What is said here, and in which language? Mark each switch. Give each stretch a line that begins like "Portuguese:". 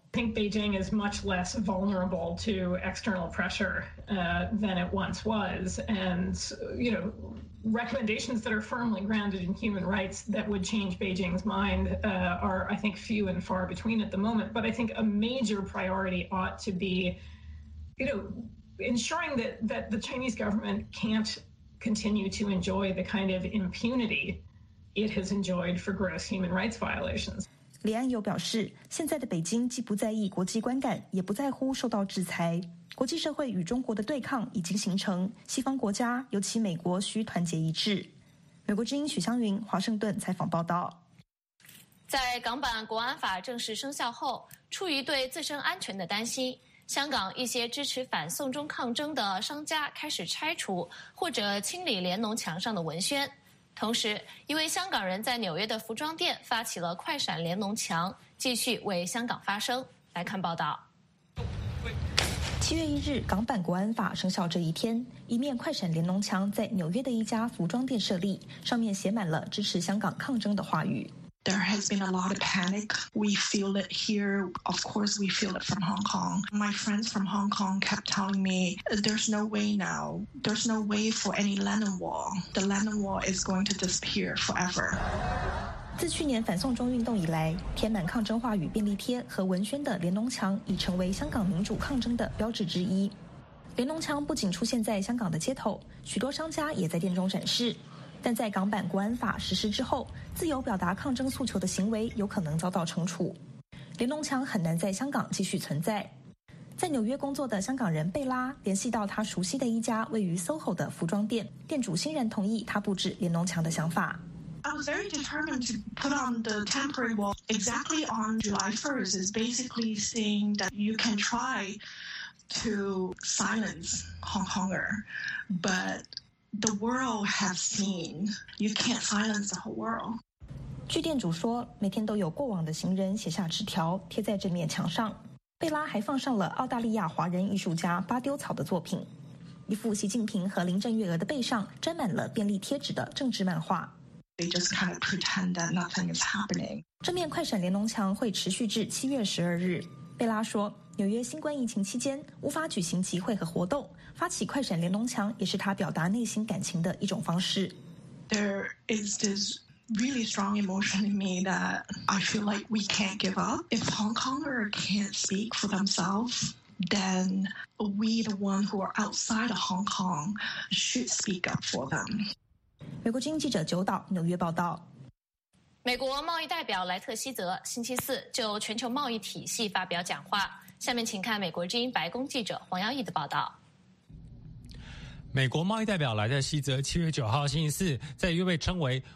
English: I think Beijing is much less vulnerable to external pressure than it once was. And, you know, recommendations that are firmly grounded in human rights that would change Beijing's mind are, I think, few and far between at the moment. But I think a major priority ought to be, you know, ensuring that the Chinese government can't continue to enjoy the kind of impunity it has enjoyed for gross human rights violations.
Chinese: 李安友表示，现在的北京既不在意国际观感，也不在乎受到制裁。国际社会与中国的对抗已经形成，西方国家，尤其美国，需团结一致。美国之音许湘云，华盛顿采访报道。在港版国安法正式生效后，出于对自身安全的担心，香港一些支持反送中抗争的商家开始拆除或者清理联农墙上的文宣。同时，一位香港人在纽约的服装店发起了快闪联农墙，继续为香港发声。来看报道。七月一日，港版国安法生效这一天，一面快闪联农墙在纽约的一家服装店设立，上面写满了支持香港抗争的话语。
English: There has been a lot of panic. We feel it here. Of course, we feel it from Hong Kong. My friends from Hong Kong kept telling me, there's no way now. There's no way for any Lenin wall. The Lenin wall is going to disappear forever.
Chinese: 自去年反送中运动以来，贴满抗争话语便利贴和文宣的联农墙已成为香港民主抗争的标志之一。联农墙不仅出现在香港的街头，许多商家也在店中展示。但在港版国安法实施之后，自由表达抗争诉求的行为有可能遭到惩处，联农墙很难在香港继续存在。在纽约工作的香港人贝拉联系到他熟悉的一家位于 SOHO 的服装店，店主欣然同意他布置联农墙的想法。
English: I was very determined to put on the temporary wall exactly on July 1st. It's basically saying that you can try to silence Hong Konger, but. The world has seen. You can't silence the whole world.
Chinese: 据店主说，每天都有过往的行人写下纸条贴在这面墙上。贝拉还放上了澳大利亚华人艺术家巴丢草的作品，一幅习近平和林郑月娥的背上沾满了便利贴纸的政治漫画。
English: They just kind of pretend that nothing is happening.
Chinese: 这面快闪联农墙会持续至七月十二日。贝拉说，纽约新冠疫情期间无法举行集会和活动，发起快闪联农墙也是他表达内心感情的一种方式。
English: There is this really strong emotion in me that I feel like we can't give up. If Hong Konger can't speak for themselves, then we, the one who are outside of Hong Kong, should speak up for them.
Chinese: 美国之音记者九岛，纽约报道。美国贸易代表莱特希泽星期四就全球贸易体系发表讲话。下面请看美国之音白宫记者黄耀毅的报道。美国贸易代表莱特希泽七月九号星期四在一位称为